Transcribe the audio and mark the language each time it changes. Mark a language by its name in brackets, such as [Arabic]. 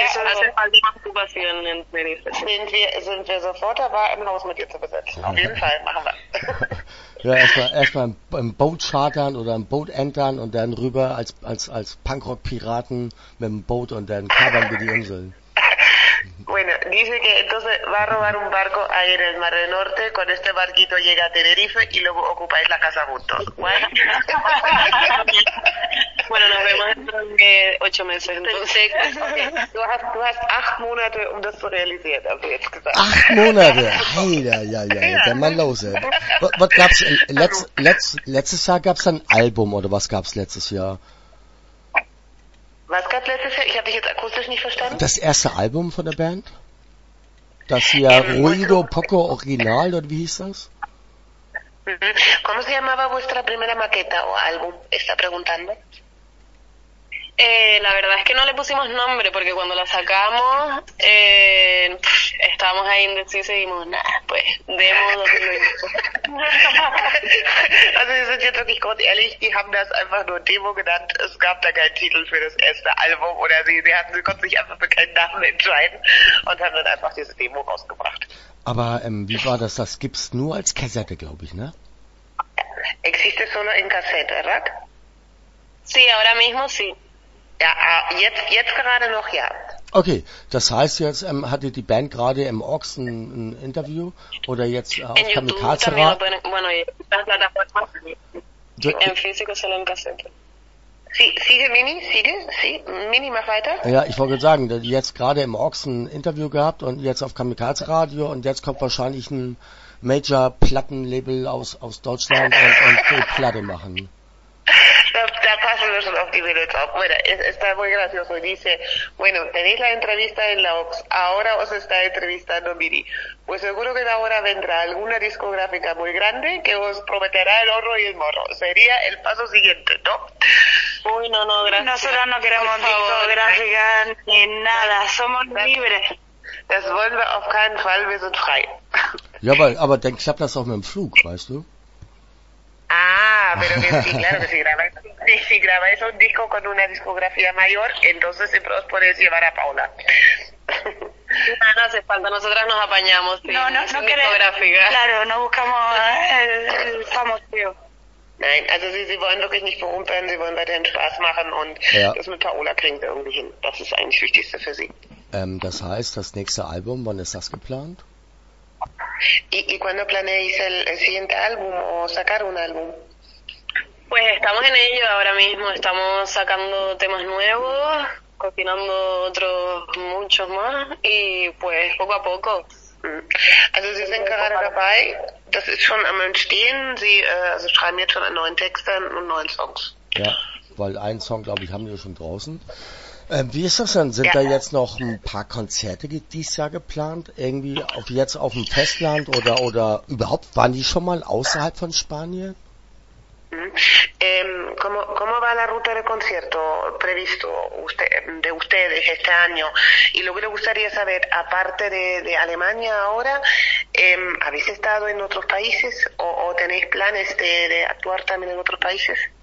[Spanish] Eso hace falta más ocupación en Venezuela. [German] Sind wir sofort dabei, ein Haus mit dir zu besetzen. Auf jeden Fall, machen wir. Ja, erstmal ein Boot chartern oder ein Boot entern und dann rüber als Punkrock-Piraten mit dem Boot und dann kabern wir die Inseln. [Spanish] Bueno, dice que entonces va a robar un barco ahí en el Mar del Norte, con este barquito llega a Tenerife y luego ocupáis la casa juntos. Bueno, bueno, nos vemos en 8 meses entonces. Okay. Tú has [German] 8 Monate, um das zu realisieren, haben wir jetzt gesagt. 8 Monate, heila, ja, dann mal los. Was gab's letztes Jahr gab's ein Album oder was gab's letztes Jahr? Was gab es letztes Jahr? Ich habe dich jetzt akustisch nicht verstanden. Das erste Album von der Band? Das hier Ruido Poco Original, oder wie hieß das? [Spanish] ¿Cómo se llamaba vuestra primera maqueta o álbum? Está preguntando. La verdad es que no le pusimos nombre porque cuando la sacamos estábamos ahí indecisos y dijimos, nada, pues, [German] Also, sie sind jetzt wirklich grundehrlich, die haben das einfach nur Demo genannt. Es gab da keinen Titel für das erste Album oder sie konnten sich einfach für keinen Namen entscheiden und haben dann einfach diese Demo rausgebracht. Aber wie war das? Das gibt's nur als Kassette, glaube ich, ne? [Spanish] Existe solo en cassette, ¿verdad? Sí, ahora mismo sí. [German] Ja, jetzt gerade noch ja. Okay, das heißt jetzt, hatte die Band gerade im Ochs ein Interview oder jetzt auf [Spanish] En YouTube Kamikaze también lo [German] Rat? [Spanish] pueden, bueno, y las plataformas en físico solo en cassette. Sigue Mini, sigue, sí, Mini, [German] mach weiter. Ja, ich wollte gerade sagen, jetzt gerade im Ochs ein Interview gehabt und jetzt auf Kamikaze Radio und jetzt kommt wahrscheinlich ein Major-Plattenlabel aus Deutschland und Platte machen. [Spanish] Da pasan los optimistas. Bueno, está muy gracioso. Dice, bueno, tenéis la entrevista en la Ox, ahora os está entrevistando Miri. Pues seguro que de ahora vendrá alguna discográfica muy grande que os prometerá el oro y el moro. Sería el paso siguiente, ¿no? Uy, no, no, gracias. Nosotros no queremos discográfica ni nada, somos libres. [German] Das wollen wir auf keinen Fall, wir sind frei. Ja, aber dann klappt das auch mit dem Flug, weißt du? [Spanish] Ah, pero que sí, claro que si grabáis un disco con una discografía mayor, entonces siempre os podéis llevar a Paula. No hace falta, nosotras nos apañamos. No, no, no queremos. Claro, no buscamos el famoso. [German] Nein, also sie wollen wirklich nicht berühmt werden, sie wollen weiterhin Spaß machen und ja. Das mit Paola kriegen wir irgendwie hin. Das ist eigentlich das Wichtigste für sie. Das heißt, das nächste Album, wann ist das geplant? [Spanish] Y cuando planeáis el siguiente álbum o sacar un álbum? Pues estamos en ello ahora mismo, estamos sacando temas nuevos, cocinando otros muchos más y pues poco a poco. [German] Also sie sind gerade dabei, das ist schon am Entstehen, sie also schreiben jetzt schon an neuen Texten und neuen Songs. Ja, weil einen Song, glaube ich, haben wir schon draußen. Wie ist das denn? Sind da jetzt noch ein paar Konzerte dieses Jahr geplant? Irgendwie auf, jetzt auf dem Festland oder überhaupt, waren die schon mal außerhalb von Spanien? [Spanish] ¿Cómo va la ruta de concierto previsto usted, de ustedes este año? Y lo que le gustaría saber, aparte de Alemania ahora, ¿habéis estado en otros países o tenéis planes de actuar también en otros países?